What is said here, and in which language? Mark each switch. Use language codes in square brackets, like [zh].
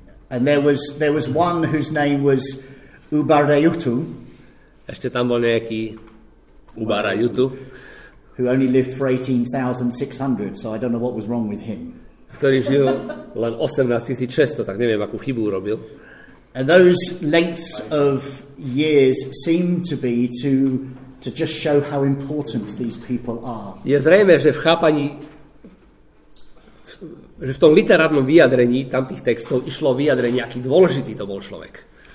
[en] And there was one whose name was Ubardayutu. [sk] Ešte tam bol nejaký Ubardayutu, [en] who only lived for 18,600, so I don't know what was wrong with him. [sk] Ktorý žil len 18,600, tak neviem, akú chybu urobil. [en] And those lengths of years seem to be to just show how important these people are. [sk] Je zrejme, že v chápaní že v tom literárnom vyjadrení tamtých textov išlo vyjadrenie, aký dôležitý to bol človek.